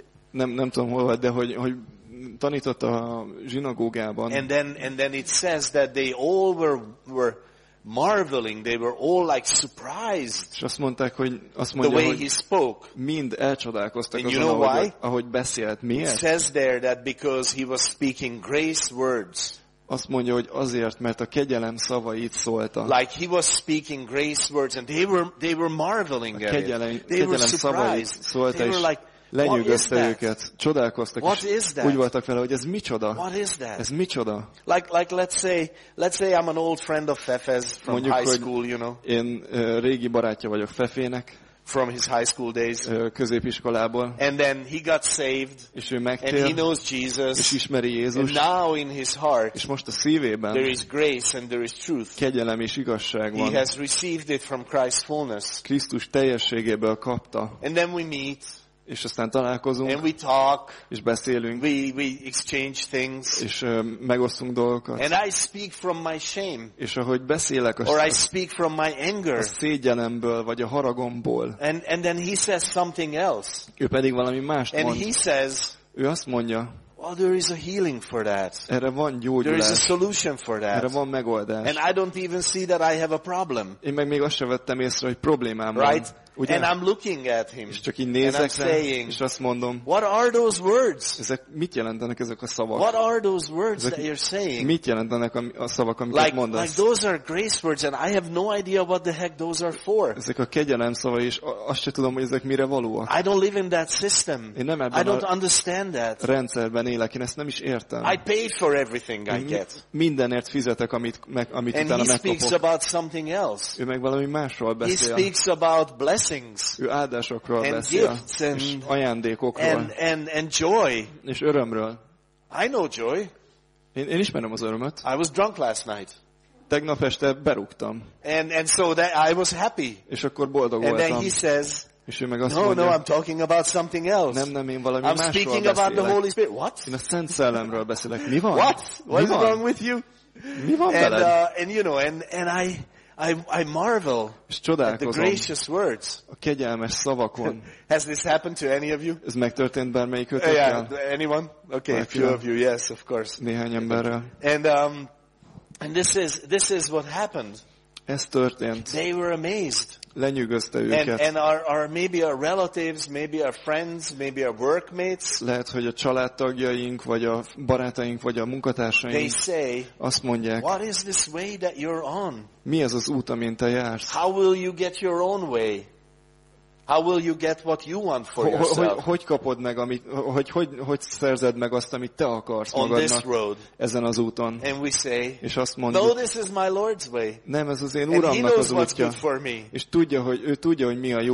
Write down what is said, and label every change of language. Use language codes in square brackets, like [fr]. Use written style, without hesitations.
[hu] Nem tudom hol volt, de hogy tanított a zsinagógában. [en] And then it says that they all were marveling, they were all like surprised. [hu] És azt mondták, hogy azt mondja, [en] the way [hu] hogy [en] he spoke. [hu] Mind elcsodálkoztak [en] and [hu] azon, [en] you know why? [hu] Ahogy beszélt. Miért? [en] It says there that because he was speaking grace words. [hu] Azt mondja, hogy azért, mert a kegyelem szavait szólta. [en] Like he was speaking grace words and they were marveling at it. [hu] Kegyelem szavait szólta, [en] they were like, [hu] lenyűgözte őket, csodálkoztak, [en] what [hu] és úgy voltak vele, hogy ez micsoda? Ez micsoda? [en] Like let's say I'm an old friend of Fefe's from [hu] mondjuk, [en] high school, you know. [hu] Én régi barátja vagyok Fefének. [en] From his high school days. [hu] Középiskolából. [en] And then he got saved. [hu] És ő megtért. [en] And he knows Jesus. [hu] És ismeri Jézust. [en] And now in his heart. [hu] És most a szívében. [en] There is grace and there is truth. [hu] Kegyelem és igazság van. [en] He has received it from Christ's fullness. [hu] Krisztus teljességéből kapta. [en] And then we meet. [hu] És aztán találkozunk, [en] and we talk, [hu] és beszélünk, [en] we exchange things, [hu] és megosztunk dolgokat. [en] And I speak from my shame, [hu] és ahogy beszélek, [en] or I speak from my anger, [hu] a szégyenemből vagy a haragomból. [en] And then he says something else. [hu] Ő pedig valami mást [en] and [hu] mond. [en] He says, [hu] ő azt mondja, [en] well, there is a healing for that. [hu] Erre van gyógyulás. [en] There is a solution for that. [hu] Erre van megoldás. [en] And I don't even see that I have a problem. [hu] Én meg még azt sem vettem észre, hogy problémám van. [en] Right? [hu] Ugye? [en] And I'm looking at him. [hu] És csak így nézek rá, [en] saying, [hu] és azt mondom, [en] what are those words? [hu] Ezek mit jelentenek ezek a szavak? [en] What are those words that you're saying? [hu] Mit jelentenek a szavak, amiket [en] like, [hu] mondasz? [en] Like those are grace words and I have no idea what the heck those are for. [hu] Ezek a kegyelem szavai, és azt sem tudom, hogy ezek mire valóak. [en] I don't live in that system. [hu] Én nem ebben [en] I don't understand that. [hu] Rendszerben élek, én ezt nem is értem. [en] I pay for everything I get. [hu] Mindenért fizetek, amit utána megkapok. [en] And he speaks about something else. [hu] Ő meg valami másról beszél. [en] He speaks about blessing. [hu] Ő áldásokról beszél, és ajándékokról, [en] and joy. [hu] És örömről. [en] I know joy. [hu] Én ismerem az örömöt. [en] I was drunk last night. [hu] Tegnap este berúgtam. [en] And so that I was happy. [hu] És akkor boldog [en] and [hu] voltam. [en] And then he says, [hu] és ő meg azt [en] no, [hu] mondja, [en] no, I'm talking about something else. [hu] Nem, én valami [en] I'm [hu] másról [en] speaking [hu] beszélek. [en] About the Holy Spirit. What? [hu] Én a Szent Szellemről beszélek. Mi van? [en] What? What's wrong with you? [hu] Mi van veled? [en] And you know, and I marvel at the gracious words. [hu] A kegyelmes szavakon. [en] Has this happened to any of you? [hu] Ez megtörtént bármelyikötökkel? [en] Yeah, anyone? Okay, a few of you. Yes, of course. [hu] Néhány emberrel. [en] And this is what happened. [hu] Ez történt. [en] They were amazed. [hu] Lenyűgözte őket. [en] And our maybe our relatives, maybe our friends, maybe our workmates. [hu] Lehet, hogy a családtagjaink, vagy a barátaink, vagy a munkatársaink. [en] They say, [hu] azt mondják, [en] what is this way that you're on? [hu] Mi ez az út, amin te jársz? [en] How will you get your own way? How will you get what you want for yourself? [hu] Hogy kapod meg, amit, hogy szerzed meg azt, amit te akarsz magadnak ezen az úton? [en] And we say, [hu] és azt mondjuk, [en] no, this is my Lord's way. [hu] Nem, ez az én Uramnak az útja. És tudja, hogy ő tudja, hogy mi a jó